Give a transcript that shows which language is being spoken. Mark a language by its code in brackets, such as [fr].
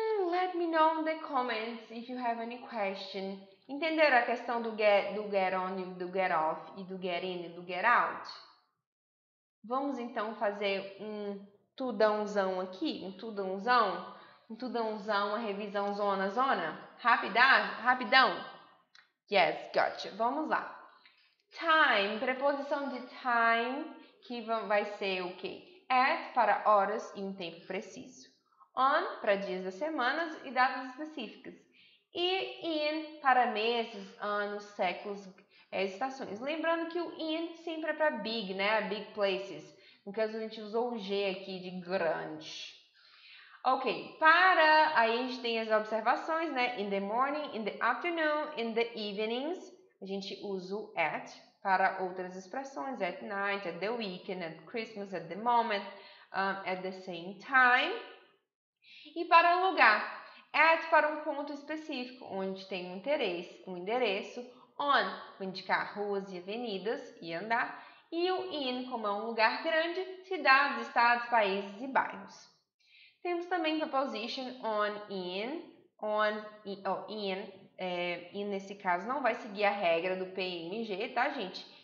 [en] Let me know in the comments if you have any question. [pt] Entenderam a questão do get on, do get off e do get in e do get out? Vamos então fazer um tudãozão aqui, um tudãozão, uma revisão zona a zona, rapidão, yes, gotcha, vamos lá, time, preposição de time, que vai ser o quê? At, para horas e um tempo preciso, on, para dias das semanas e datas específicas, e in, para meses, anos, séculos, estações. Lembrando que o in sempre é para big, né? [en] Big places. [pt] No caso, a gente usou o G aqui de grande. Ok. Para, aí a gente tem as observações, né? [en] In the morning, in the afternoon, in the evenings. [pt] A gente usa o at para outras expressões. [en] At night, at the weekend, at Christmas, at the moment, at the same time. [pt] E para lugar. At para um ponto específico, onde tem um interesse, um endereço. On, para indicar ruas e avenidas e andar. E o in, como é um lugar grande, cidades, estados, países e bairros. Temos também preposition on, in. On, oh, in, é, in nesse caso não vai seguir a regra do PMG, tá gente?